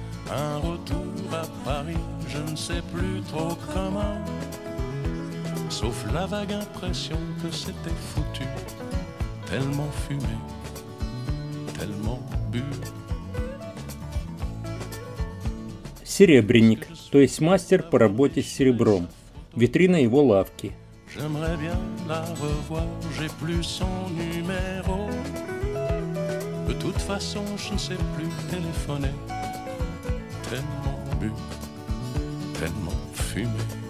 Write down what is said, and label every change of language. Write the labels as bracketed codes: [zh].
[fr] Un retour à Paris, je ne sais plus trop comment. Sauf la vague impression que c'était foutu. Tellement fumé, tellement bu. [ru] Серебряник, то есть мастер по работе с серебром. Витрина его лавки. [fr] J'aimerais bien la revoir, j'ai plus son numéro. De toute façon, je ne sais plus téléphoner. Tellement bu, tellement fumé.